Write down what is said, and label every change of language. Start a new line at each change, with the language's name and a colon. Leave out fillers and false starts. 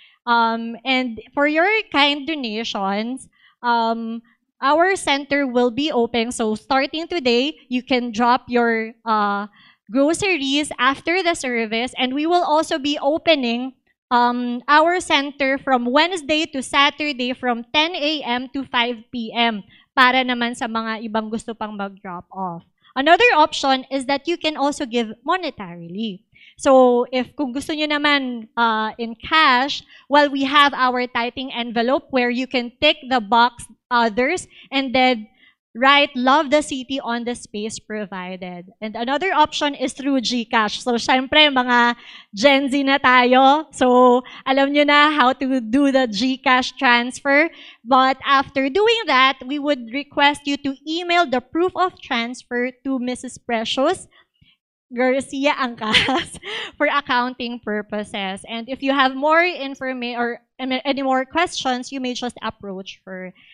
English: And for your kind donations, our center will be open. So, starting today, you can drop your groceries after the service. And we will also be opening our center from Wednesday to Saturday from 10 a.m. to 5 p.m.
Filipino: para naman sa mga ibang gusto pang mag-drop off.
English: Another option is that you can also give monetarily. So, if
Filipino: kung gusto nyo naman
English: in cash, well, we have our tithing envelope where you can tick the box others and then write Love the City on the space provided. And another option is through GCash.
Filipino: So, syempre, mga Gen Z na tayo.
English: So,
Filipino: alam nyo na
English: how to do the GCash transfer. But after doing that, we would request you to email the proof of transfer to Mrs. Precious Garcia Angkas for accounting purposes. And if you have more information or any more questions, you may just approach her.